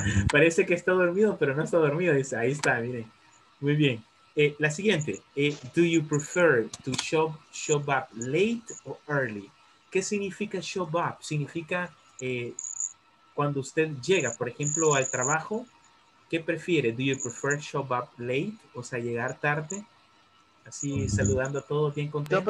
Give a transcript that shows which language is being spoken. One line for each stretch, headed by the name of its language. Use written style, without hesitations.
Spanish: Parece que está dormido, pero no está dormido. Dice, ahí está, miren. Muy bien. La siguiente.
English: Do you prefer to show up late or early?
Spanish: ¿Qué significa show up? Significa cuando usted llega, por ejemplo, al trabajo, ¿qué prefiere?
English: ¿Do you prefer show up late?
Spanish: O sea, llegar tarde, así saludando a todos, bien contento.